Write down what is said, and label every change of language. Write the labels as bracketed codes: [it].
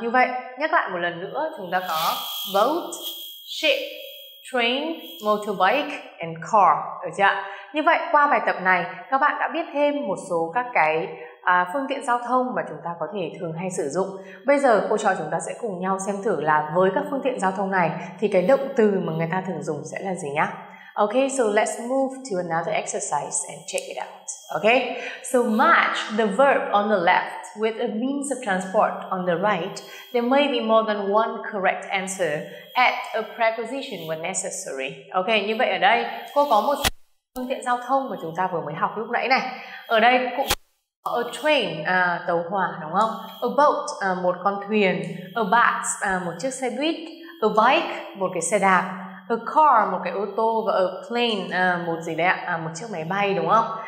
[vi] Như vậy, nhắc lại một lần nữa, chúng ta có [en] boat, ship, train, motorbike and car, [vi] được chưa? Như vậy, qua bài tập này, các bạn đã biết thêm một số các cái phương tiện giao thông mà chúng ta có thể thường hay sử dụng. Bây giờ, cô trò chúng ta sẽ cùng nhau xem thử là với các phương tiện giao thông này thì cái động từ mà người ta thường dùng sẽ là gì nhá? [en] Okay, so let's move to another exercise and check it out. Okay, so match the verb on the left with a means of transport on the right. There may be more than one correct answer at a preposition when necessary. [vi] Okay, như vậy ở đây cô có một phương tiện giao thông mà chúng ta vừa mới học lúc nãy này. Ở đây cũng có [en] a train, [vi] tàu hỏa đúng không? [en] A boat, [vi] một con thuyền. [en] A bus, [vi] một chiếc xe buýt. [en] A bike, [vi] một cái xe đạp. [en] A car, [vi] một cái ô tô, và [en] a plane, [vi] một gì đấy ạ, một chiếc máy bay, đúng không?